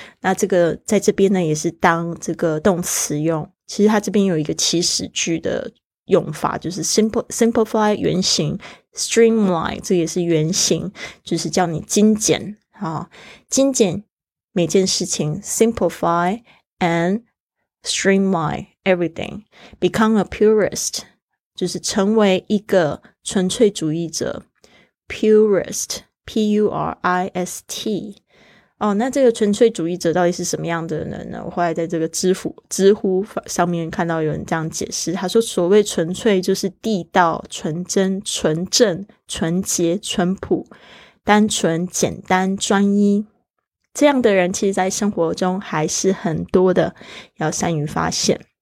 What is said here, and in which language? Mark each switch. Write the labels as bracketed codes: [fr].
[zh] 那这个在这边呢也是当这个动词用，其实它这边有一个祈使句的用法，就是 simplify 原型，Streamline 这也是原型，就是叫你精简、啊、精简每件事情。 [en] Simplify and streamline everything. Become a purist, [zh] 就是成为一个纯粹主义者。 Purist, P-U-R-I-S-T、哦、那这个纯粹主义者到底是什么样的人呢？我后来在这个知乎上面看到有人这样解释，他说所谓纯粹就是地道、纯真、纯正、纯洁、纯朴、单纯、简单、专一，这样的人其实在生活中还是很多的，要善于发现。